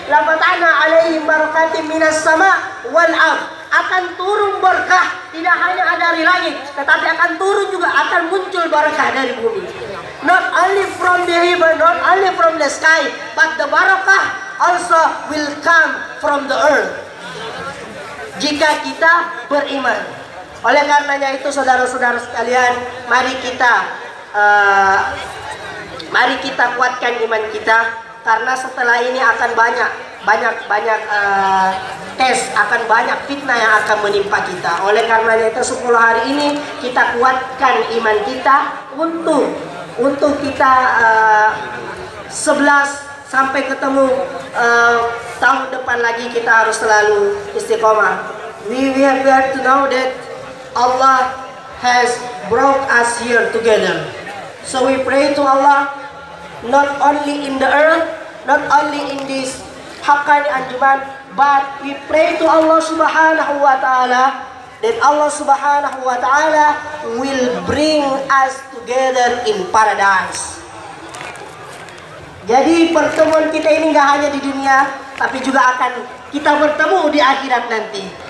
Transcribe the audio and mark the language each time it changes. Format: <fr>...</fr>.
<ar>La fatahna alaihim barakatim minas sama wal ard,</ar> <id>akan turun berkah tidak hanya dari langit, tetapi akan turun juga, akan muncul barakah dari bumi.</id> <en>Not only from the heaven, not only from the sky, but the barakah also will come from the earth.</en> <id>Jika kita beriman. Oleh karenanya itu saudara-saudara sekalian, mari kita kuatkan iman kita, karena setelah ini akan banyak tes, akan banyak fitnah yang akan menimpa kita. Oleh karenanya itu 10 hari ini kita kuatkan iman kita untuk kita 11 sampai ketemu tahun depan lagi, kita harus selalu istiqomah.</id> <en>We have to know that Allah has brought us here together. So we pray to Allah, not only in the earth, not only in this Haqqani Anjuman, but we pray to Allah subhanahu wa ta'ala, that Allah subhanahu wa ta'ala will bring us together in paradise.</en> <id>Jadi pertemuan kita ini gak hanya di dunia, tapi juga akan kita bertemu di akhirat nanti.</id>